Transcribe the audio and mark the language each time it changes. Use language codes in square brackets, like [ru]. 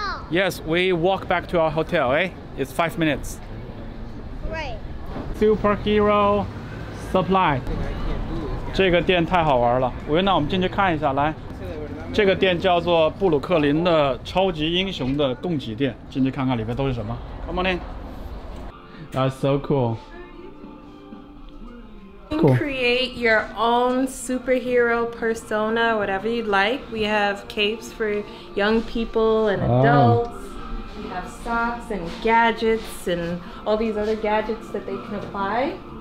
[en] Yes, we walk back to our hotel. It's 5 minutes. Great. [zh] Superhero Supply. 这个店太好玩了，我那我们进去看一下，来。这个店叫做布鲁克林的超级英雄的供给店，进去看看里面都是什么。 [en] Come on in. That's so cool. You can create your own superhero persona, whatever you'd like. We have capes for young people and adults. We have socks and gadgets and all these other gadgets that they can apply.